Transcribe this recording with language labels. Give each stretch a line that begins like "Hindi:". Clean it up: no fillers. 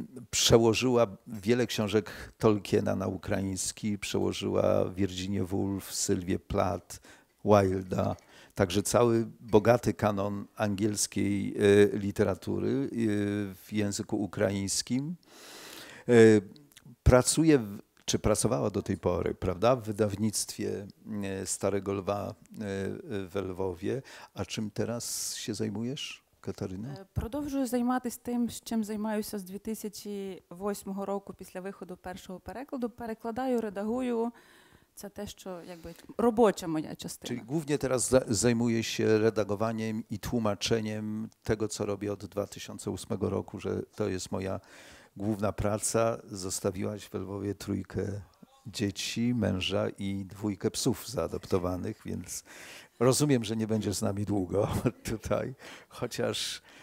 Polish: Przełożyła wiele książek Tolkiena na ukraiński, przełożyła Virginię Woolf, Sylwię Plath, Wilda, także cały bogaty kanon angielskiej literatury w języku ukraińskim. Pracuje, czy pracowała do tej pory, prawda, w wydawnictwie Starego Lwa we Lwowie. A czym teraz się zajmujesz, Kataryna?
Ukrainian: Продовжую займатися тим, чим займаюся з 2008 року після виходу першого перекладу. Перекладаю, редагую. Це те, що якби робоча моя частина.
Polish: Czyli głównie teraz zajmuję się redagowaniem i tłumaczeniem tego, co robię od 2008 roku, że to jest moja główna praca. Zostawiłaś w Lwowie trójkę dzieci, męża i dwójkę psów zaadoptowanych, więc rozumiem, że nie będziesz z nami długo tutaj, chociaż